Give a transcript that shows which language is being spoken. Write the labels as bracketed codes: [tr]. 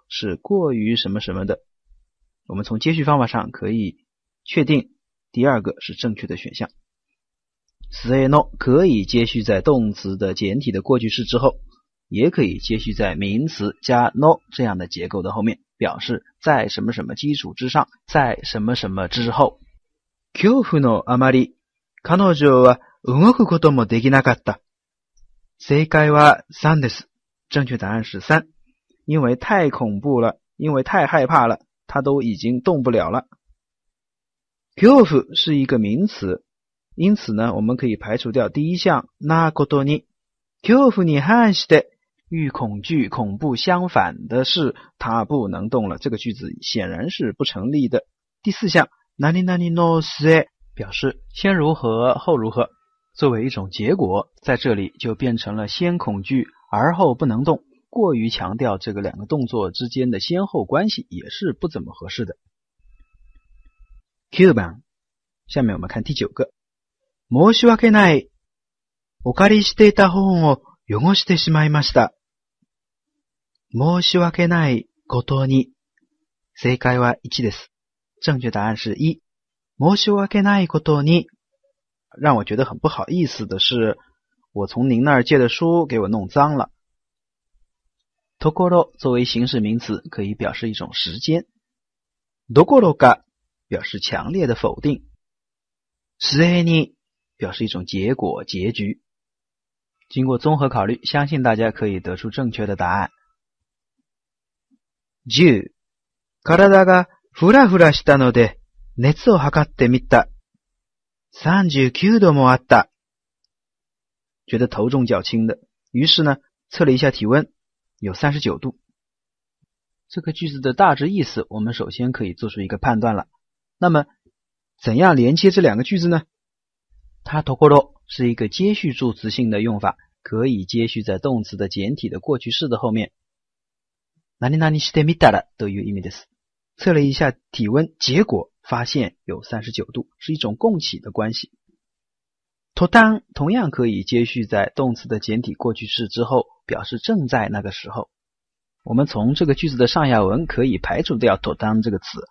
[zh] 是过于什么什么的，我们从接续方法上可以确定第二个是正确的选项。せの可以接续在动词的简体的过去式之后，也可以接续在名词加の这样的结构的后面，表示在什么什么基础之上，在什么什么之后。 [ja] 恐怖のあまり、彼女は動くこともできなかった。正解は3です。 [zh] 正确答案是3。因为太恐怖了，因为太害怕了，他都已经动不了了。恐怖是一个名词，因此呢，我们可以排除掉第一项。 [ja] なことに、恐怖に反して。 [zh] 与恐惧、恐怖相反的是他不能动了，这个句子显然是不成立的。第四项 [ja] 何々の末 [zh] 表示先如何后如何，作为一种结果，在这里就变成了先恐惧而后不能动，过于强调这个两个动作之间的先后关系也是不怎么合适的。 [ja] 9番， [zh] 下面我们看第9个。 [ja] 申し訳ない、お借りしていた本を汚してしまいました。申し訳ないことに。正解は1です。 [zh] 正確答案是1。 [ja] 申し訳ないことに。 [zh] 让我觉得很不好意思的是、我从您那儿借的书给我弄脏了。ところ作为形式名词可以表示一种时间。 [ja] どころか [zh] 表示强烈的否定。 [ja] 末に [zh] 表示一种结果、结局。经过综合考虑，相信大家可以得出正确的答案。 [ja] 10、体がフラフラしたので熱を測ってみた。39度もあった。 [zh] 觉得头重脚轻的，于是呢，测了一下体温，有39度。这个句子的大致意思，我们首先可以做出一个判断了。那么，怎样连接这两个句子呢？它ところ是一个接续助词性的用法，可以接续在动词的简体的过去式的后面。 [ja] 何々してみたらという意味です。 [zh] 测了一下体温，结果发现有39度，是一种供给的关系。途端同样可以接续在动词的简体过去式之后，表示正在那个时候。我们从这个句子的上下文可以排除掉途端这个词。